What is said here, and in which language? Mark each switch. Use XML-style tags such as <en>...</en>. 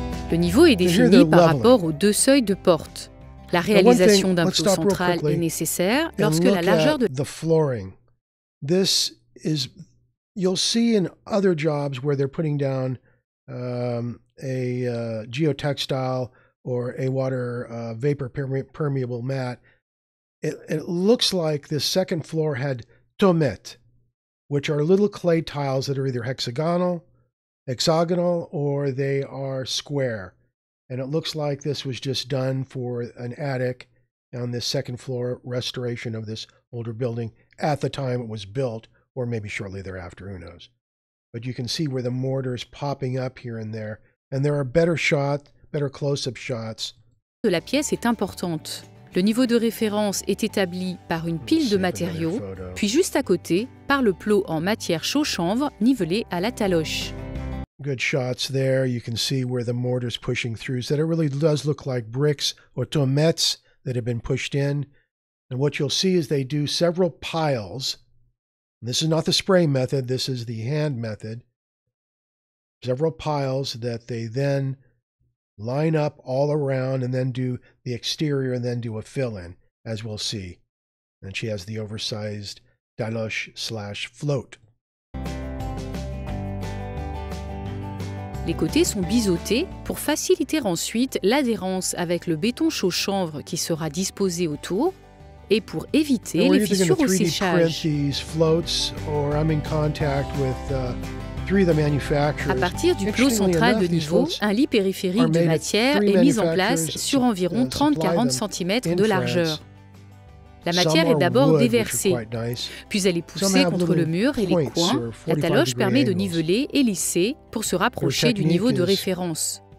<fr>Le niveau est défini par rapport aux deux seuils de porte. La réalisation d'un plot central est nécessaire lorsque la largeur de</fr> <en>the flooring. This is, you'll see in other jobs where they're putting down geotextile or a water vapor permeable mat. It looks like the second floor had tomet, which are little clay tiles that are either hexagonal, or they are square. And it looks like this was just done for an attic on this second floor restoration of this older building at the time it was built, or maybe shortly thereafter, who knows. But you can see where the mortar is popping up here and there. And there are better close-up shots.</en> <fr>De la pièce est importante. Le niveau de référence est établi par une pile de matériaux, puis juste à côté, par le plot en matière chaux-chanvre nivelé à la taloche.</fr> <en>Good shots there. You can see where the mortar is pushing through. So that it really does look like bricks or tomettes that have been pushed in. And what you'll see is they do several piles. And this is not the spray method. This is the hand method. Several piles that they then line up all around and then do the exterior and then do a fill-in, as we'll see. And she has the oversized taloche slash float.</en> <fr>Les côtés sont biseautés pour faciliter ensuite l'adhérence avec le béton chaud chanvre qui sera disposé autour et pour éviter les fissures au séchage.</fr> <en>These floats, or I'm in contact with three of the manufacturers.</en> <fr>À partir du plot central de niveau, un lit périphérique de matière est mis en place sur environ 30-40 cm de largeur. La matière est d'abord déversée, puis elle est poussée contre le mur et les coins. La taloche permet de niveler et lisser pour se rapprocher du niveau de référence.</fr>